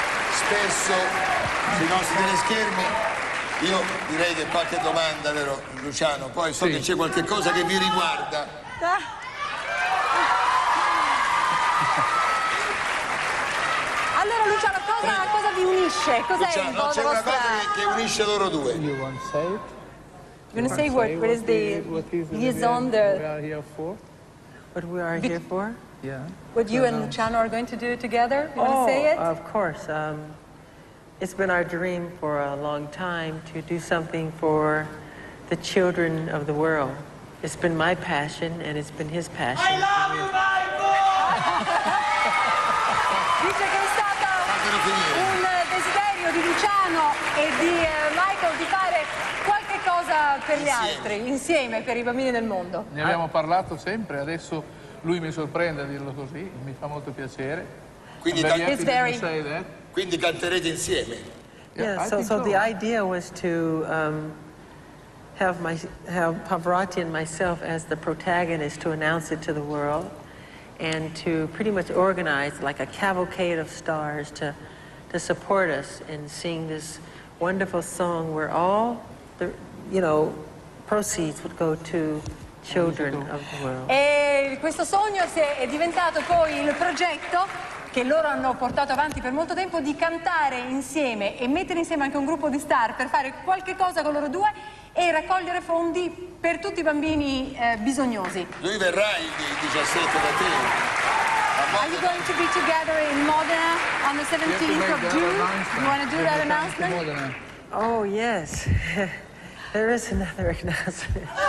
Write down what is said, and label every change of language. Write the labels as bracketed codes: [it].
[it] Spesso sui nostri teleschermi. Io direi che qualche domanda, vero Luciano? Poi so che c'è qualche cosa che vi riguarda. Allora Luciano, cosa vi unisce? Cos'è Luciano, il vostro? C'è una cosa che unisce loro due. [en] You want to say it? You want to say what? What is the liaison that we are here for? What we are here for? Yeah. What you and Luciano are going to do together? You want to say it? Of course. It's been our dream for a long time to do something for the children of the world. It's been my passion and it's been his passion. I love you, Michael! [it] Dice che è stato un desiderio di Luciano e di Michael di fare qualche cosa per gli altri, insieme, per i bambini del mondo. Ne abbiamo parlato sempre, adesso lui mi sorprende a dirlo così, mi fa molto piacere. Quindi, quindi canterete insieme. [en] Yeah, so the idea was to have Pavarotti and myself as the protagonist to announce it to the world and to pretty much organize like a cavalcade of stars to support us in sing this wonderful song where all the proceeds would go to children of the world. [it] E questo sogno è diventato poi il progetto che loro hanno portato avanti per molto tempo di cantare insieme e mettere insieme anche un gruppo di star per fare qualche cosa con loro due e raccogliere fondi per tutti i bambini bisognosi. Lui verrà il 17 da te. [en] Are you going to be together in Modena on the 17th of June? You want to do that announcement? Oh yes, there is another announcement.